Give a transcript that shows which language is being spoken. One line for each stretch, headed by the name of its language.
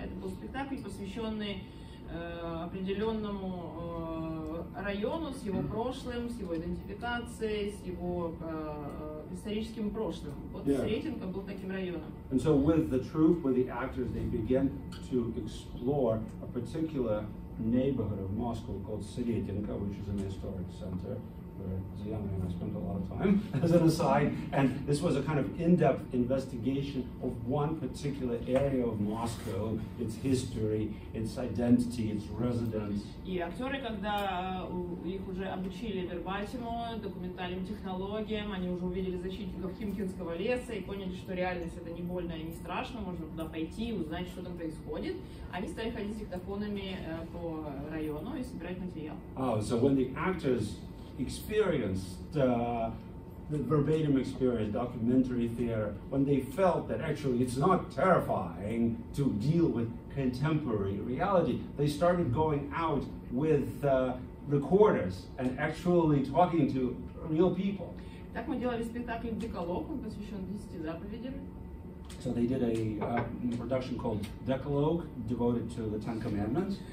Russian: Это был спектакль, посвященный определенному району с его прошлым, с его идентификацией, с его историческим прошлым. Вот yeah. Сретенка был таким районом.
English: And so with the troupe, with the actors, they begin to explore a particular neighborhood of Moscow called Sretenka, which is an historic center where as a young man I spent a lot of time as an aside, and this was a kind of in-depth investigation of one particular area of Moscow, its history, its identity, its residence.
Russian: И актеры, когда их уже обучили вербатиму, документальным технологиям, они уже увидели защитников Химкинского леса и поняли, что реальность это не больно и не страшно, можно туда пойти и узнать, что там происходит. Они стали ходить с диктофонами по району и собирать материал.
English: Oh, so when the actors experienced the verbatim experience, documentary theater, when they felt that actually it's not terrifying to deal with contemporary reality, they started going out with recorders and actually talking to real people.
Russian: Так мы делали спектакль «Деколог», он посвящен 10 заповедям.
English: So they did a production called Decalogue, devoted to the Ten Commandments.